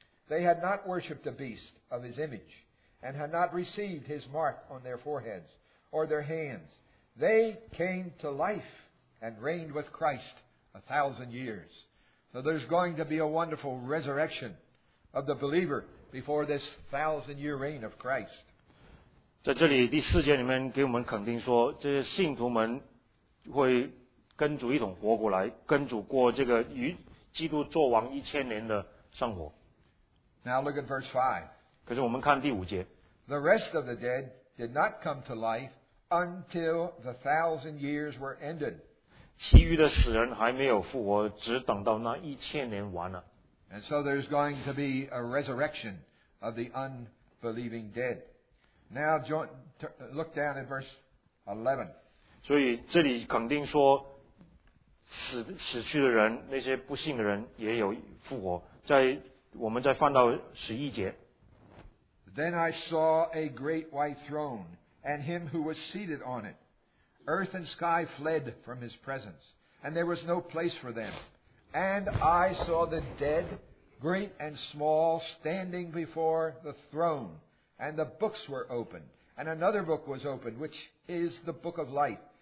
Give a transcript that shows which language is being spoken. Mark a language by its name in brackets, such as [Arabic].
[English] They had not worshipped the beast of his image and had not received his mark on their foreheads or their hands. They came to life and reigned with Christ 1,000 years. So there's going to be a wonderful resurrection of the believer before this 1,000-year reign of Christ. [Chinese] 在这里第四节里面给我们肯定说，这些信徒们会跟主一同活过来，跟主过这个与基督作王一千年的生活。 [English] Now look at verse 5. [Chinese] 可是我们看第五节。 [English] The rest of the dead did not come to life until the 1,000 years were ended. [Chinese] 其余的死人还没有复活，只等到那一千年完了。 [English] And so there's going to be a resurrection of the unbelieving dead. Now look down at verse 11. [Chinese] 所以这里肯定说 死去的人，那些不信的人也有复活。在我们再翻到十一节。 [English] Then I saw a great white throne, and him who was seated on it. Earth and sky fled from his presence, and there was no place for them. And I saw the dead, great and small, standing before the throne, and the books were opened, and another book was opened, which is the book of life.